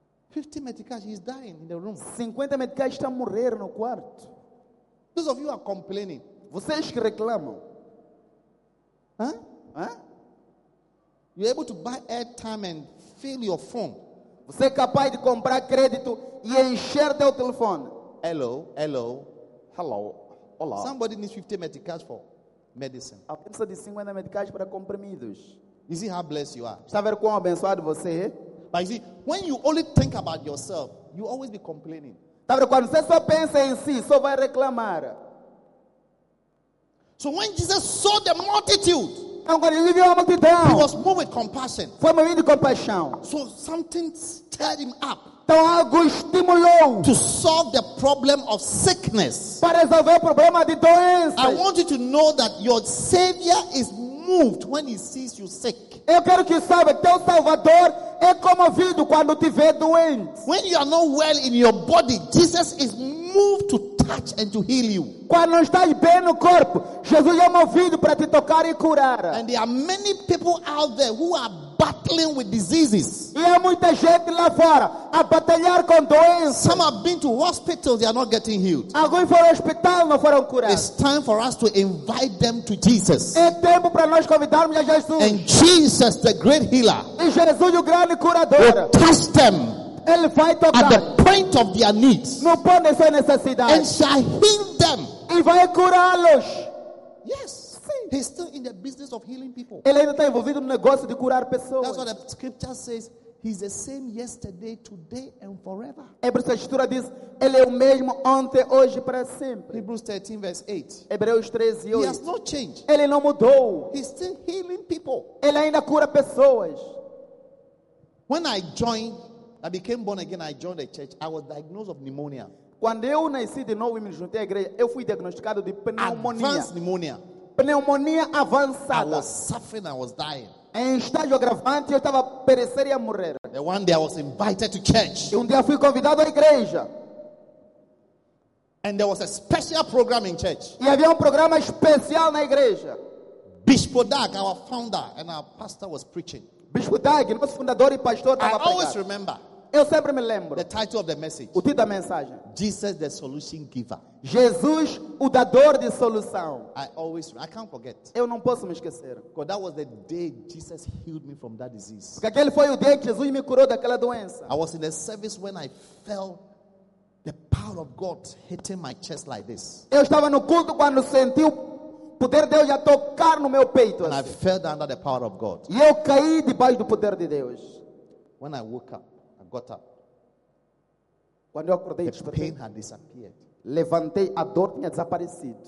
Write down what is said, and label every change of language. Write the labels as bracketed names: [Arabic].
[English] 50 meticais, he's dying in the room. [Portuguese] 50 meticais está morrendo no quarto. [English] Those of you are complaining. [Portuguese] Vocês que reclamam. Huh? [English] You're able to buy airtime and fill your phone. [Portuguese] Você é capaz de comprar crédito e encher teu telefone. [English] Hello, hello. Hello. [Portuguese] Olá. [English] Somebody needs 50 meticais for medicine. [Portuguese] A pessoa de 50 meticais para comprimidos. [English] You see how blessed you are. [Portuguese] Está vendo quão abençoado você é? [English] But you see, when you only think about yourself, you always be complaining. [Portuguese] Está vendo quando você só pensa em si, só vai reclamar. [English] So when Jesus saw the multitude, I'm going to leave you all down. He was moved with compassion. [Portuguese] Foi movido de compaixão. [English] So something stirred him up. [Portuguese] Então algo estimulou. [English] To solve the problem of sickness. [Portuguese] Para resolver o problema de doença. [English] I want you to know that your Savior is moved when he sees you sick. [Portuguese] Eu quero que saiba que teu Salvador é comovido quando te vê doente. [English] When you are not well in your body, Jesus is moved to touch and to heal you. [Portuguese] Quando não estás bem no corpo, Jesus é movido para te tocar e curar. [English] And there are many people out there who are battling with diseases. [Portuguese] E há muita gente lá fora a batalhar com doenças. [English] Some have been to hospitals, they are not getting healed. [Portuguese] Alguns foram ao hospital, não foram curados. [English] It's time for us to invite them to Jesus. [Portuguese] É tempo para nós convidarmos a Jesus. [English] And Jesus, the great healer, [Portuguese] e Jesus, o grande curador, [English] will touch them. [Portuguese] Ele vai tocar [English] at the point of their needs. [Portuguese] No ponto de sua necessidade. [English] And shall heal them. [Portuguese] E vai curá-los. [English] Yes. He's still in the business of healing people. [Portuguese] Ele ainda está envolvido no negócio de curar pessoas. [English] That's what the scripture says. He's the same yesterday, today, and forever. [Portuguese] Hebreus 13, diz, ele é o mesmo ontem, hoje, para sempre. [English] Hebrews 13, verse 8. [Portuguese] Hebreus 13, 8. [English] He has not changed. [Portuguese] Ele não mudou. [English] He's still healing people. [Portuguese] Ele ainda cura pessoas. [English] When I joined, I became born again, I joined the church, I was diagnosed with pneumonia. [Portuguese] Quando eu nasci de novo e me juntei à igreja, eu fui diagnosticado de pneumonia. [English] Advanced pneumonia. [Portuguese] Pneumonia avançada. [English] I was suffering, I was dying. [Portuguese] Em estágio agravante, eu estava a perecer e a morrer. [English] The one day I was invited to church. [Portuguese] E dia fui convidado à igreja. [English] And there was a special program in church. [Portuguese] E havia programa especial na igreja. [English] Bishop Doug, our founder, and our pastor was preaching. [Portuguese] Bishop Doug, nosso fundador e pastor, estava pregando. [English] I always remember. [Portuguese] Eu sempre me lembro. [English] The title of the message. [Portuguese] O título da mensagem. [English] Jesus, the solution giver. [Portuguese] Jesus, o dador de solução. [English] I can't forget. [Portuguese] Eu não posso me esquecer. [English] Because that was the day Jesus healed me from that disease. [Portuguese] Porque aquele foi o dia que Jesus me curou daquela doença. [English] I was in the service when I felt the power of God hitting my chest like this. [Portuguese] Eu estava no culto quando senti o poder de Deus a tocar no meu peito. [English] And [Portuguese] assim. [English] I fell under the power of God. [Portuguese] E eu caí debaixo do poder de Deus. [English] When I woke up. Got up. [Portuguese] Quando eu acordei, [English] the pain had disappeared. [Portuguese] Levantei, a dor tinha desaparecido.